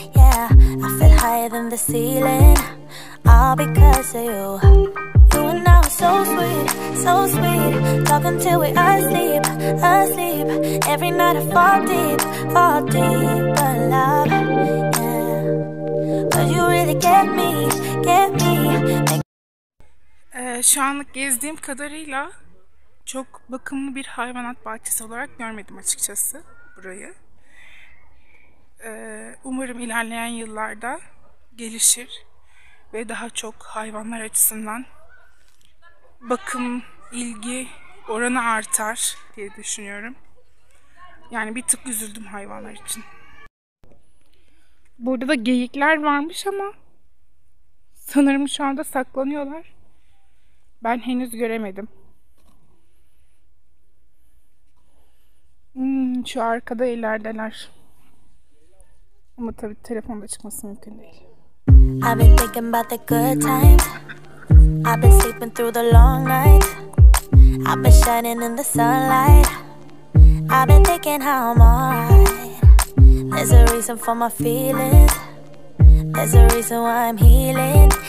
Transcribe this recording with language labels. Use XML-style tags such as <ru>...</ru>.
<en>Yeah, I feel higher than the ceiling. All because of you. You and I were so sweet, so sweet. Talking till we asleep, asleep. Every night I fall deep, fall deep. But love, yeah. Could you really get me, get me?</en> <tr>Şu anlık gezdiğim kadarıyla çok bakımlı bir hayvanat bahçesi olarak görmedim açıkçası burayı. Umarım ilerleyen yıllarda gelişir ve daha çok hayvanlar açısından bakım, ilgi oranı artar diye düşünüyorum. Yani bir tık üzüldüm hayvanlar için. Burada da geyikler varmış ama sanırım şu anda saklanıyorlar. Ben henüz göremedim. Şu arkada ilerdeler. Ama tabii telefonda çıkması mümkün değil.</tr> <en>I've been thinking about the good times. I've been sleeping through the long nights. I've been shining in the sunlight. I've been thinking how I'm alright. There's a reason for my feelings. There's a reason why I'm healing.</en>